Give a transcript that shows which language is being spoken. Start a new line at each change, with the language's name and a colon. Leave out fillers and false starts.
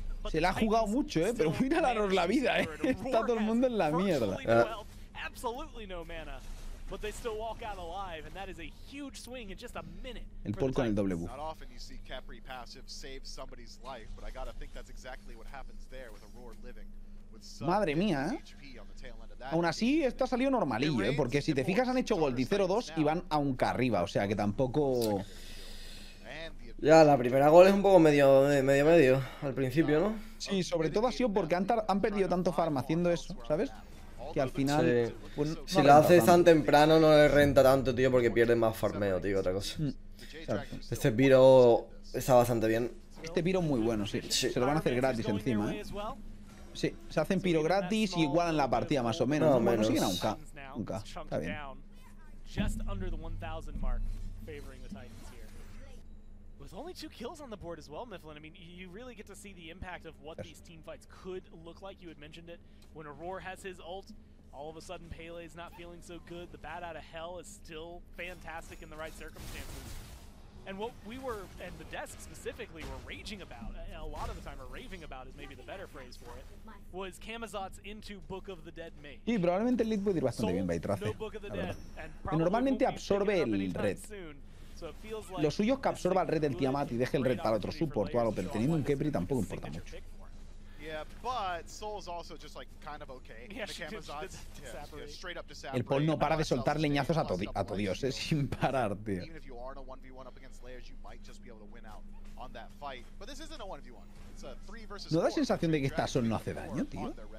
Spanish: Se la ha jugado mucho, pero mira la Ror la vida, Está todo el mundo en la mierda.
English: Absolutely no mana. But they still walk out alive, and that is a huge swing in just a minute.
Spanish: El pull con el doble buff.
English: Not often you see Capri passive save somebody's life, but I gotta think that's exactly what happens there with Aurora living.
Spanish: Madre mía, Aún así, esto ha salido normalillo, porque si te fijas han hecho Goldy 0-2 y van aunque arriba, o sea que tampoco... Ya, la primera gol es un poco medio al principio, ¿no? Sí, sobre todo ha sido porque han perdido tanto farm haciendo eso, ¿sabes? Que al final... Sí. Pues, no si lo haces tan temprano no le renta tanto, tío, porque pierdes más farmeo, tío, otra cosa. Claro. Este piro está bastante bien. Este piro muy bueno, sí. Se lo van a hacer gratis encima, Sí, se hacen piro gratis y igualan la partida más o menos. No, menos. Bueno, siguen a un K. Está bien.
English: Just under the 1000 mark, favoring the Titans here. With only 2 kills on the board as well, Mifflin. I mean, you really get to see the impact of what these team fights could look like. You had mentioned it. When Aurora has his ult, all of a sudden Pele is not feeling so good. The bat out of hell is still fantastic in the right circumstances. And what we were, and the desk specifically, were raging about, a lot of the time, or raving about is maybe the better phrase for it, was Kamazotz into Book of the Dead Mage.
Spanish: Sí, probablemente el lead puede ir bastante bien, Baitrace. Normalmente absorbe el red. Lo suyo es que absorba el red del Tiamat y deje el red para otro support o algo, pero teniendo un Kepri tampoco importa mucho.
English: Yeah, but Soul's also just like kind of okay. Yeah, straight up disappear.
Spanish: El Paul no para de soltar leñazos a todo dios, sin parar, tío.
English: Even if you aren't a 1v1 up against layers, you might just be able to win out on that fight. But this isn't a 1v1. It's a 3 versus
Spanish: 4. ¿No da sensación de que Tasson no hace daño, tío?